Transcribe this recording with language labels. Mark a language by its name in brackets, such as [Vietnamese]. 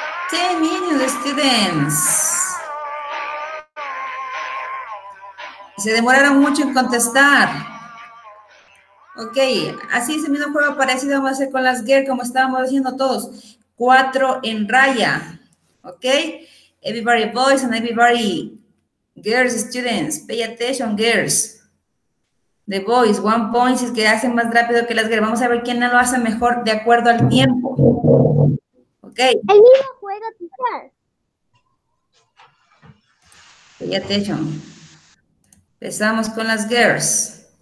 [English] Ten minutes, students. [Spanish] Se demoraron mucho en contestar. Ok, así es el mismo juego parecido vamos a hacer con las girls, como estábamos diciendo todos. 4 en raya, ¿ok? [English] Everybody boys and everybody girls students, pay attention girls. The boys, 1 point, [Spanish] es que hacen más rápido que las girls. Vamos a ver quién lo hace mejor de acuerdo al tiempo, ¿ok? El mismo juego, teacher. [English] Pay attention. [Spanish] Empezamos con las girls.